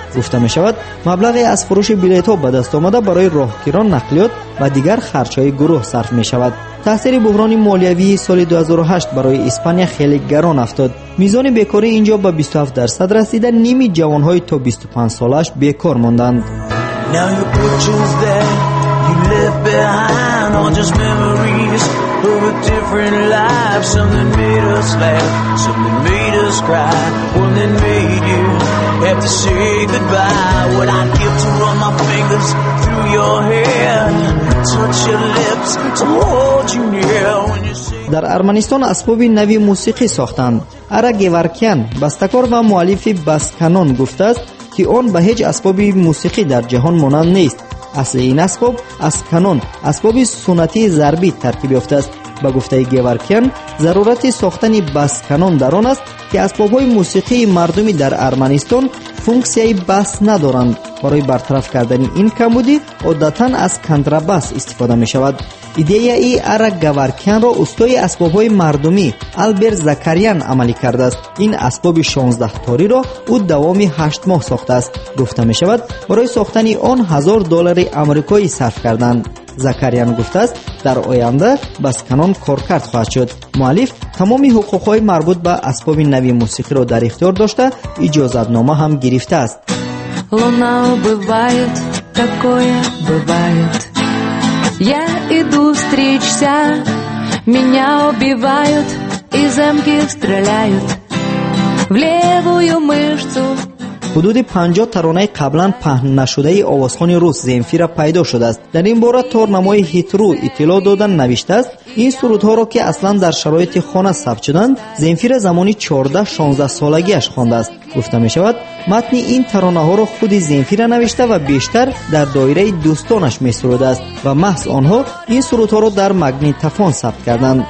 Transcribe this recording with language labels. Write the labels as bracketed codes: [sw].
[fa] گفته می شود مبلغی از فروش بلیت ها به دست آمده برای راهگیران، نقلیات و دیگر خرج های گروه صرف می شود. تاثیر بحران مالیوی سال 2008 برای اسپانیا خیلی گران افتاد. میزان بیکاری اینجا به 27% رسیده. نیمی جوان های تا 25 سالش بیکار ماندند. [en] Now your picture's there, you left behind all just memories of a different life. Something made us laugh, something made us cry, one that made you have to say goodbye. What I'd give to run my fingers through your hair, touch your lips to hold you near. [fa] در ارمنستان اسباب نوی موسیقی ساختند. آرا گیوارکیان، بستکار و مؤلف بسکانون گفته است که آن به هیچ اسباب موسیقی در جهان مانند نیست. اصل این اسباب از کانون، اسباب سنتی ضربی ترکیب یافته است. به گفته گیوارکیان، ضرورت ساختن بس کانون در آن است که اسباب های موسیقی مردمی در ارمنستان فونکسیای بس ندارند. برای برطرف کردن این کمبودی عادتا از کندرباس استفاده می شود. ایده ای آرا گیوارکیان را استاد اسباب های مردمی آلبر زکاریان عملی کرده است. این اسباب 16 تاری را او دوامی 8 ماه ساخته است. گفته می شود برای ساختن آن $1000 آمریکایی صرف کردند. زکاریان گفته است در آینده بس کانون کارکرد خواهد شد. مؤلف تمام حقوق های مربوط به اسباب نوی موسیقی را در اختیار داشته، اجازت نامه هم گرفته است. [ru] Луна убывает, такое бывает. Я иду встречся, меня убивают, и замки стреляют в левую мышцу. [fa] حدود 50 ترانه قبلا پهن نشده ای آوازخوان روس زمفیرا پیدا شده است. در این باره تارنمای هیترو اطلاع دادن نوشته است این سرودها را که اصلا در شرایط خانه ثبت شدند، زمفیرا زمانی 14-16 سالگیش خوانده است. گفته می شود متن این ترانه ها را خود زمفیرا نوشته و بیشتر در دایره دوستانش می سروده است و محض آنها این سرودها را در مگنیتافون ثبت کردند.